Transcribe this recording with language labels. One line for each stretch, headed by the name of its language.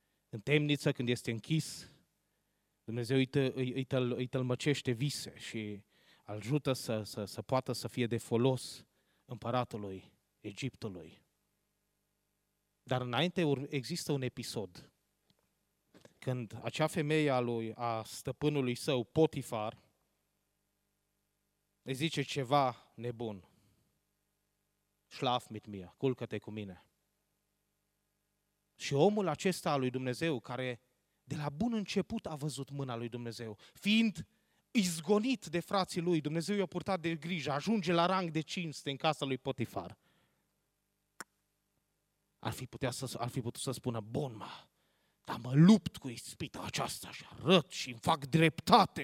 Romanian: În temniță, când este închis, Dumnezeu îi tălmăcește vise și ajută să poată să fie de folos împăratului Egiptului. Dar înainte există un episod când acea femeie a stăpânului său, Potifar, îi zice ceva nebun.
German: Schlaf mit mir,
Romanian: culcă-te cu mine. Și omul acesta al lui Dumnezeu, care de la bun început a văzut mâna lui Dumnezeu, fiind izgonit de frații lui, Dumnezeu i-a purtat de grijă, ajunge la rang de cinste în casa lui Potifar. Ar fi putut să spună, bun, dar mă lupt cu ispita aceasta și arăt și îmi fac dreptate.